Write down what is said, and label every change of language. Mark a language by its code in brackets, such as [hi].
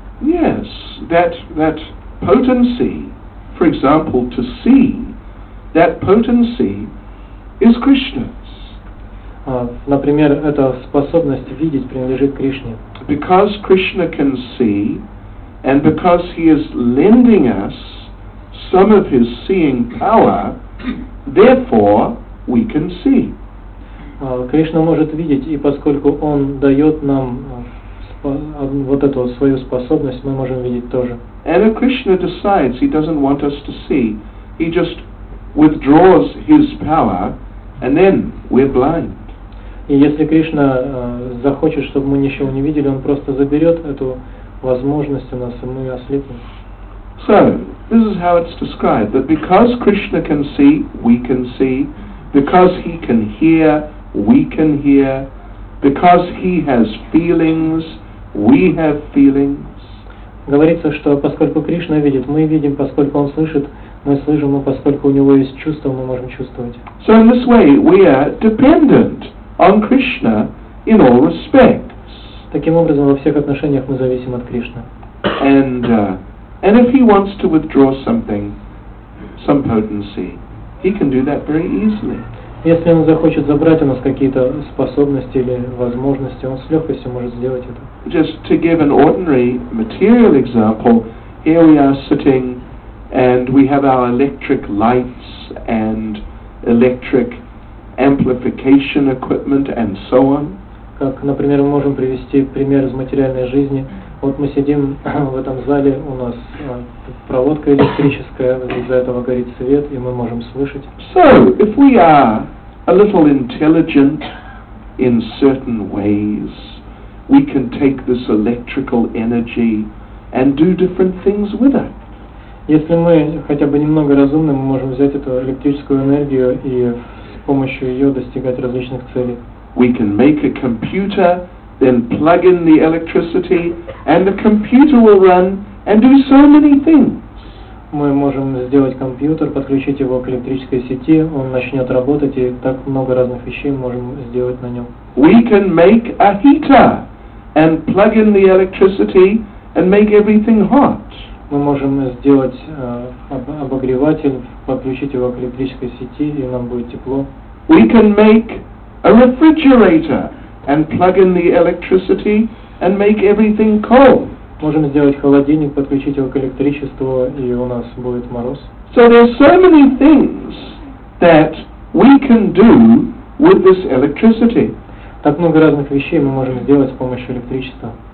[en] Yes, that potency, for example, to see, that potency is Krishna's. [ru] Например, эта способность видеть принадлежит Кришне. [en] Because Krishna can see, and because he is lending us some of his seeing power, therefore we can see. [ru] Кришна может видеть, и поскольку он дает нам вот эту вот свою способность, мы можем видеть тоже. [en] And if Krishna decides he doesn't want us to see, he just withdraws his power, and then we're blind. [ru] И если Кришна захочет, чтобы мы ничего не видели, он просто заберет эту возможность у нас, и мы ослепнем. [en] So, this is how it's described, that because Krishna can see, we can see, because he can hear, we can hear, because he has feelings, we have feelings. [ru] Говорится, что поскольку Кришна видит, мы видим, поскольку он слышит, мы слышим, и поскольку у него есть чувства, мы можем чувствовать. [en] So in this way we are dependent on Krishna in all respects. [ru] Таким образом, во всех отношениях мы зависим от Кришны. [en] And if he wants to withdraw something, some potency, he can do that very easily. [ru] Если он захочет забрать у нас какие-то способности или возможности, он с легкостью может сделать это. [en] Just to give an ordinary material example, here we are sitting and we have our electric lights and electric amplification equipment and so on. [ru] Как, например, мы можем привести пример из материальной жизни. Вот мы сидим в этом зале, у нас проводка электрическая, из-за этого горит свет, и мы можем слышать. [en] So, if we are a little intelligent in certain ways, we can take this electrical energy and do different things with it. [ru] Если мы хотя бы немного разумны, мы можем взять эту электрическую энергию и с помощью ее достигать различных целей. [en] We can make a computer, then plug in the electricity, and the computer will run and do so many things. [ru] Мы можем сделать компьютер, подключить его к электрической сети, он начнет работать, и так много разных вещей мы можем сделать на нем. [en] We can make a heater and plug in the electricity and make everything hot. [ru] Мы можем сделать обогреватель, подключить его к электрической сети, и нам будет тепло. [en] We can make a refrigerator and plug in the electricity and make everything cold. [ru] Можем сделать холодильник, подключить его к электричеству, и у нас будет мороз. [en] So there are so many things that we can do with this electricity. [ru] Так много разных вещей мы можем сделать с помощью электричества.